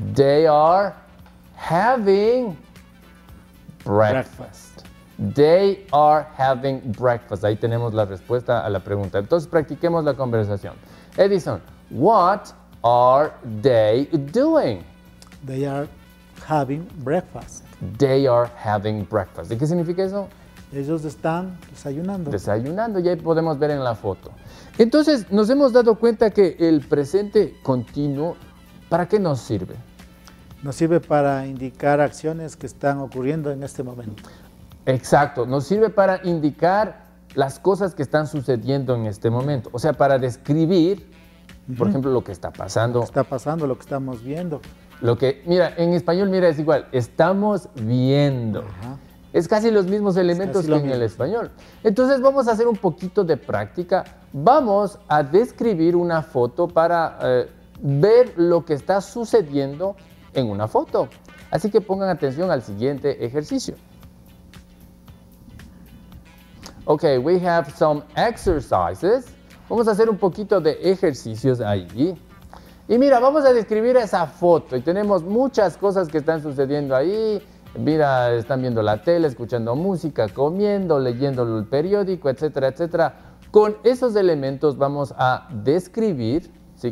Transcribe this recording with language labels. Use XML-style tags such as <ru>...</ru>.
<en>They are having breakfast. They are having breakfast.</en> <es>Ahí tenemos la respuesta a la pregunta. Entonces practiquemos la conversación.</es> <en>Edison, what are they doing? They are having breakfast. They are having breakfast.</en> <es>¿Y qué significa eso? Ellos están desayunando. Desayunando, ya podemos ver en la foto. Entonces, nos hemos dado cuenta que el presente continuo, ¿para qué nos sirve? Nos sirve para indicar acciones que están ocurriendo en este momento. Exacto, nos sirve para indicar las cosas que están sucediendo en este momento. O sea, para describir, por ejemplo, lo que está pasando. Lo que está pasando, lo que estamos viendo. Lo que, mira, en español, mira, es igual, estamos viendo. Ajá. Es casi los mismos elementos que en el español. Entonces, vamos a hacer un poquito de práctica. Vamos a describir una foto para ver lo que está sucediendo en una foto. Así que pongan atención al siguiente ejercicio.</es> <en>Ok, we have some exercises.</en> <es>Vamos a hacer un poquito de ejercicios ahí. Y mira, vamos a describir esa foto. Y tenemos muchas cosas que están sucediendo ahí. Mira, están viendo la tele, escuchando música, comiendo, leyendo el periódico, etcétera, etcétera. Con esos elementos vamos a describir, ¿sí?</es>